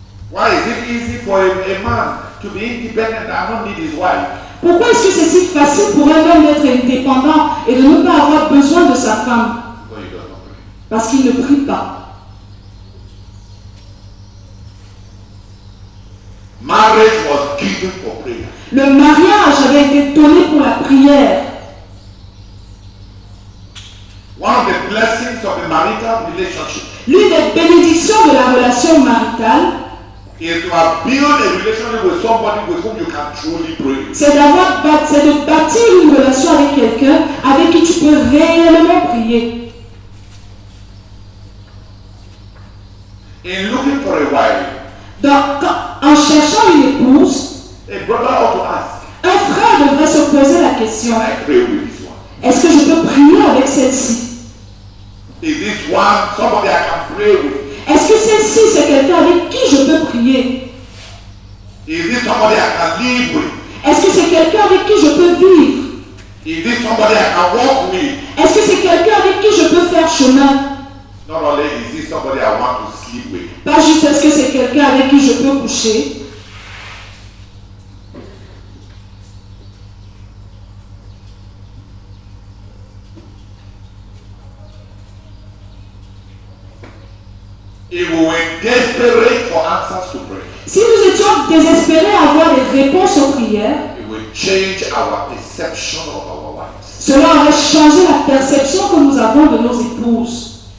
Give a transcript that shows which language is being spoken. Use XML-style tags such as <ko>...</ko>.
<en>Why is it easy for a man to be independent and not need his wife?</en> <fr>Pourquoi est-ce que c'est si facile pour un homme d'être indépendant et de ne pas avoir besoin de sa femme? Parce qu'il ne prie pas.</fr> <en>Marriage was given for prayer.</en> <fr>Le mariage avait été donné pour la prière.</fr> <en>One of the blessings of a marital relationship.</en> <fr>L'une des bénédictions de la relation maritale. C'est de bâtir une relation avec quelqu'un avec qui tu peux réellement prier.</fr> <en>In looking for a wife,</en> <fr>en cherchant une épouse,</fr> <en>a brother ought to ask,</en> <fr>un frère devrait se poser la question,</fr> <en>I pray with this one.</en> <fr>Est-ce que je peux prier avec celle-ci?</fr> <en>Is this one somebody I can pray with?</en> <fr>Est-ce que celle-ci, c'est quelqu'un avec qui je peux prier?</fr> <en>Is this somebody I can live with?</en> <fr>Est-ce que c'est quelqu'un avec qui je peux vivre?</fr> <en>Is this somebody I can walk with?</en> <fr>Est-ce que c'est quelqu'un avec qui je peux faire chemin?</fr> <en>Not only is this somebody I want to sleep with.</en> <fr>Pas juste est-ce que c'est quelqu'un avec qui je peux coucher?</fr> <en>If we were desperate for answers to prayer,</en> <fr>si nous étions désespérés à avoir des réponses aux prières,</fr> <en>it would change our perception of our wives.</en> <fr>Cela aurait changé la perception que nous avons de nos épouses.</fr>